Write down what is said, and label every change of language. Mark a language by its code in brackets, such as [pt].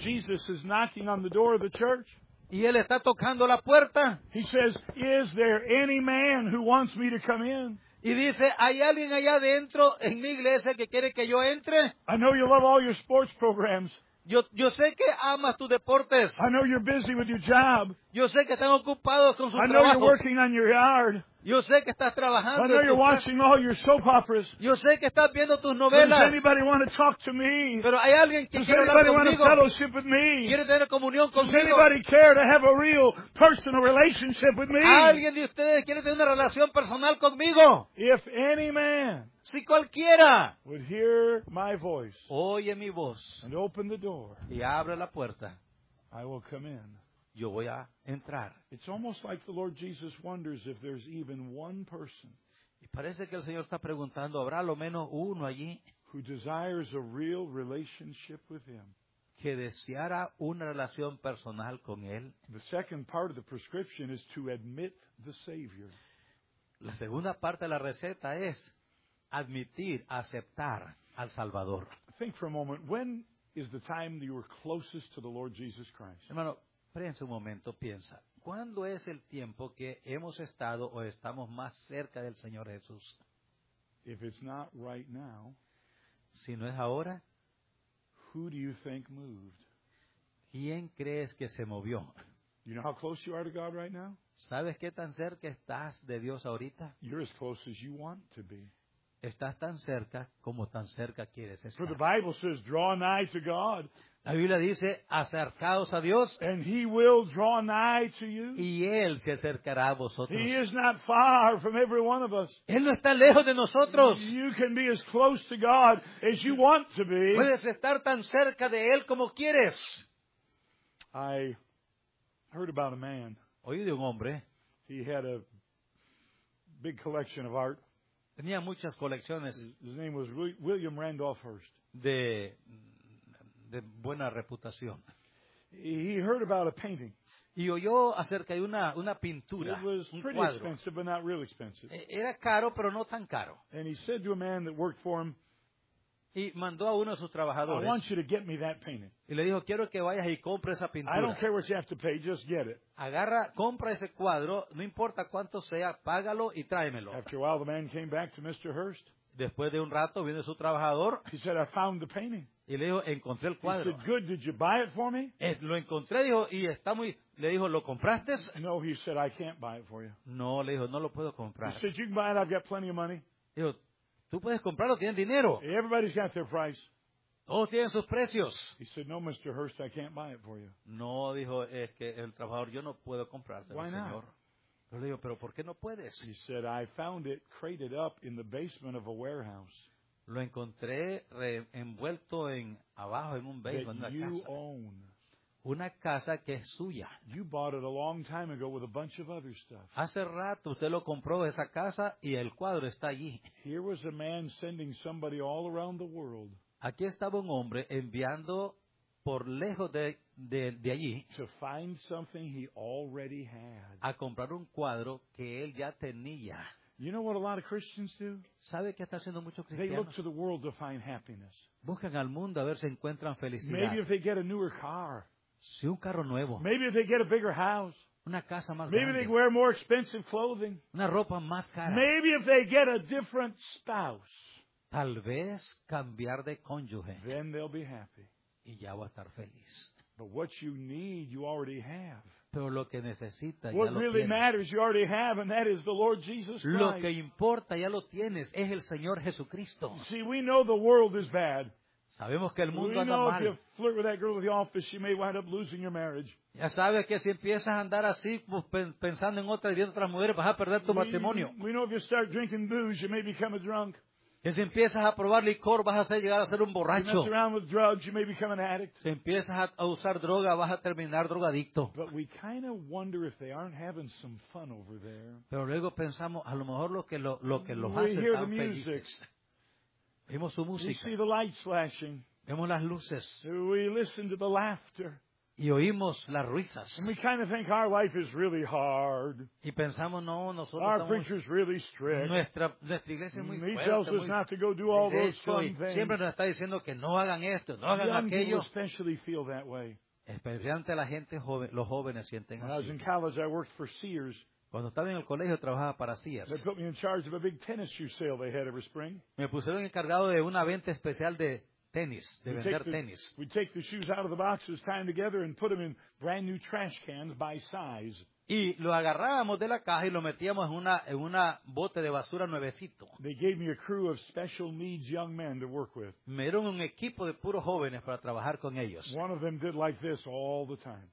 [en] And Jesus is knocking on the door of the church. [es] Y él está tocando la puerta. [en] He says, is there any man who wants me to come in? [es] Y dice, ¿hay alguien allá adentro en mi iglesia que quiere que yo entre? [en] I know you love all your sports programs. [es] Yo sé que amas tus deportes. [en] I know you're busy with your job. [es] Yo sé que están ocupados con su trabajo. [en] I know you're working on your yard. [es] Yo sé que estás trabajando. [en] I know you're watching all your soap operas. [es] Yo sé que estás viendo tus novelas. [en] Does anybody want to talk to me? [es] Pero hay alguien que quiere hablar conmigo. [en] Does anybody want to fellowship with me? [es] ¿Quiere tener comunión conmigo? [en] Does anybody care to have a real personal relationship with me? [es] ¿Alguien de ustedes quiere tener una relación personal conmigo? [en] If any man [es] si cualquiera [en] would hear my voice [es] oye mi voz [en] and open the door, [es] y abre la puerta, [en] I will come in. [es] Yo voy a entrar. [en] It's almost like the Lord Jesus wonders if there's even one person. [es] Y parece que el Señor está preguntando, ¿habrá lo menos uno allí? [en] Who desires a real relationship with him. [es] Que deseara una relación personal con él. [en] The second part of the prescription is to admit the Savior. [es] La segunda parte de la receta es admitir, aceptar al Salvador. [en] Think for a moment, when is the time that you were closest to the Lord Jesus Christ? [es] Hermano, prensa un momento, piensa. ¿Cuándo es el tiempo que hemos estado o estamos más cerca del Señor Jesús? [en] If it's not right now, [es] si no es ahora, [en] who do you think moved? [es] ¿Quién crees que se movió? [en] You know how close you are to God right now? [es] ¿Sabes qué tan cerca estás de Dios ahorita? [en] You're as close as you want to be. [es] Estás tan cerca como tan cerca quieres estar. [en] For the Bible says, draw nigh to God. [es] La Biblia dice, acercaos a Dios. [en] And he will draw nigh to you. [es] Y Él se acercará a vosotros. [en] He is not far from every one of us. [es] Él no está lejos de nosotros. [en] You can be as close to God as you want to be. [es] Puedes estar tan cerca de Él como quieres. [en] I heard about a man. [es] Oí de un hombre. [en] He had a big collection of art. [es] Tenía muchas colecciones. [en] His name was William Randolph Hearst. [es] De buena reputación. [en] He heard about a painting. [es] Y oyó acerca de una pintura, [en] it was pretty [es] un cuadro. [en] Expensive, but not real expensive. [es] Era caro, pero no tan caro. [en] And he said to a man that worked for him, [es] y mandó a uno de sus trabajadores. [en] I want you to get me that painting. [es] Y le dijo, quiero que vayas y compres esa pintura. [en] I don't care what you have to pay, just get it. [es] Agarra, compra ese cuadro, no importa cuánto sea, págalo y tráemelo. [en] After a while, the man came back to Mr. Hearst. [es] Después de un rato, viene su trabajador. [en] He said, I found the painting. [es] Y le dijo, encontré el cuadro. [en] He said, good, did you buy it for me? [es] Lo encontré, dijo, y está muy... Le dijo, ¿lo compraste? [en] No, he said, I can't buy it for you. [es] No, le dijo, no lo puedo comprar. [en] He said, you can buy it, I've got plenty of money. [es] Dijo, tú puedes comprarlo, tienes dinero. [en] Everybody's got their price. [es] Todos tienen sus precios. [en] He said, no, Mr. Hearst, I can't buy it for you. [es] No, dijo, es que el trabajador, yo no puedo comprarlo, señor. [en] Why not? [es] Yo le digo, pero ¿por qué no puedes? [en] He said, I found it crated up in the basement of a warehouse. [es] Lo encontré envuelto en abajo en un basement [en] that [es] de una casa. [en] You own. [es] Una casa que es suya. [en] You bought it a long time ago with a bunch of other stuff. [es] Hace rato usted lo compró esa casa y el cuadro está allí. [en] Here was a man sending somebody all around the world. [es] Aquí estaba un hombre enviando por lejos de allí, [en] to find something he already had. [es] A comprar un cuadro que él ya tenía. [en] You know what a lot of Christians do? [es] ¿Sabe qué está haciendo muchos cristianos? [en] They look to the world to find happiness. [es] Buscan al mundo a ver si encuentran felicidad. [en] Maybe if they get a newer car. [es] Si un carro nuevo. [en] Maybe if they get a bigger house. [es] Una casa más [en] Maybe [es] grande. [en] Maybe they wear more expensive clothing. [es] Una ropa más cara. [en] Maybe if they get a different spouse. [es] Tal vez cambiar de cónyuge. [en] Then they'll be happy. [es] Y ya va a estar feliz. [en] But what you need, you already have. [es] Pero lo que necesita, [en] what [es] ya lo [en] really [es] tienes. [en] Matters, you already have, and that is the Lord Jesus Christ. [es] Lo que importa, ya lo tienes, es el Señor Jesucristo. [en] See, we know the world is bad. [es] Sabemos que el mundo [en] we [es] anda [en] know [es] mal. [en] If you flirt with that girl at the office, you may wind up losing your marriage. [es] Ya sabes que si empiezas a andar así, pues, pensando en otras y viendo otras mujeres, vas a perder tu matrimonio. [en] We know if you start drinking booze, you may become a drunk. [es] Que si empiezas a probar licor, vas a llegar a ser un borracho. [en] You mess around with drugs, you may become an addict. [es] Si empiezas a usar droga, vas a terminar drogadicto. [en] But we kind of wonder if they aren't having some fun over there. [es] Pero luego pensamos, a lo mejor lo que los hace tan felices. [en] We hear the music. [es] Vemos su música. [en] We see the lights flashing. [es] Vemos las luces. [en] We listen to the laughter. [es] Y oímos las risas. [en] And we kind of think our life is really hard. [es] Y pensamos, no, nosotros [en] our preacher is really strict. [es] Nuestra iglesia es muy fuerte. [en] He tells us not to go do all those fun things. [es] Siempre nos está diciendo que no hagan esto, no hagan aquello. [en] Young people especially feel that way. [es] Especialmente la gente joven, los jóvenes sienten así. [en] When I was in college, I worked for Sears. [es] Cuando estaba en el colegio, trabajaba para Sears. [en] They put me in charge of a big tennis shoe sale they had every spring. [es] Me pusieron encargado de una venta especial de tenis, de [en] we'd [es] vender [en] take the, [es] tenis. [en] We take the shoes out of the boxes, tie them together, and put them in brand new trash cans by size. [es] Y lo agarrábamos de la caja y lo metíamos en una bote de basura nuevecito. [en] They gave me a crew of special needs young men to work with. [es] Me dieron un equipo de puros jóvenes para trabajar con ellos. [en] One of them did like this all the time.